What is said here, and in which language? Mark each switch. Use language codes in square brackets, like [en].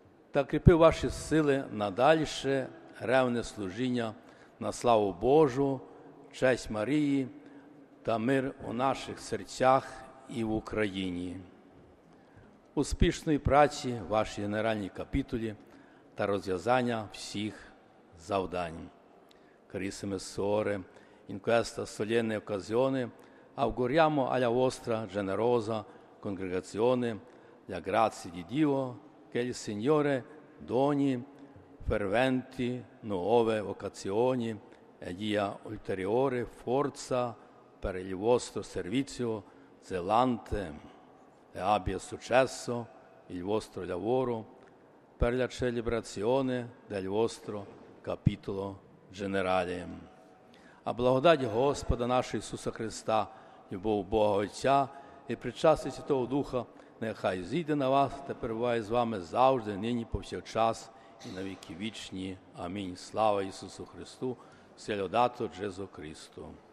[uk] та кріпив ваші сили на дальше ревне служіння на славу Божу, честь Марії та мир у наших серцях і в Україні. Успішної праці в вашій генеральній капітулі та розв'язання всіх завдань. [it] Carissime suore, in questa solenne occasione auguriamo alla vostra generosa congregazione la grazia di Dio che il Signore doni ferventi nuove vocazioni e dia ulteriore forza per il vostro servizio zelante e abbia successo il vostro lavoro per la celebrazione del vostro capitolo generale. [uk] A благодать Господа нашого Ісуса Христа, любов Бога Отця і причастя Святого Духа нехай зійде на вас та перебуває з вами завжди, нині, повсякчас і на віки вічні. Амінь. Слава Ісусу Христу, [it] Селодато Джезу Христу.